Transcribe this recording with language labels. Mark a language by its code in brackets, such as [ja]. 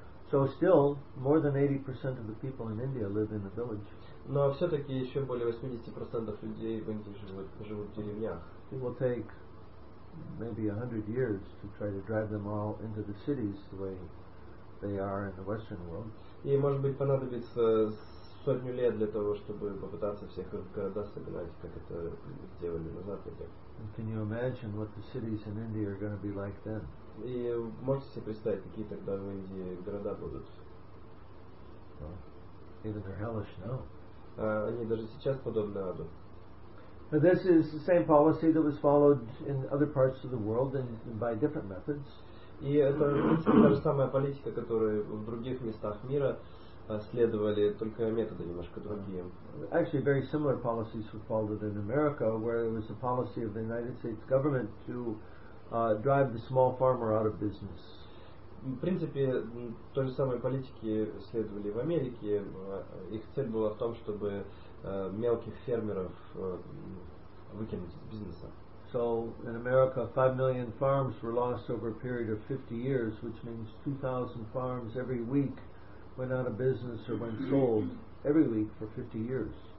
[en] So still, more than 80% of the people in India live in the village. [ru] Но все-таки еще более 80% людей в Индии живут в деревнях. [en] It will take maybe 100 years to try to drive them all into the cities the way they are in the Western world. [ru] И, может быть, понадобится сотню лет для того, чтобы попытаться всех в города собирать, как это сделали на Западе. [en] And can you imagine what the cities in India are going to be like then? [ru] И можете себе представить, какие тогда в Индии города будут? [en] Even they're hellish now. [ru] Они даже сейчас подобны аду. [en] Now this is the same policy that was followed in other parts of the world and by different methods. [ru] И это, в принципе, та же самая политика, которую в других местах мира следовали, только методы немножко другие. [en] Actually, very similar policies were followed in America, where it was the policy of the United States government to drive the small farmer out of business. [ru] В принципе, той же самой политики следовали в Америке. Их цель была в том, чтобы мелких фермеров выкинуть из бизнеса. [en] So in America, 5 million farms were lost over a period of 50 years, which means 2,000 farms every week went out of business or went sold every week for 50 years.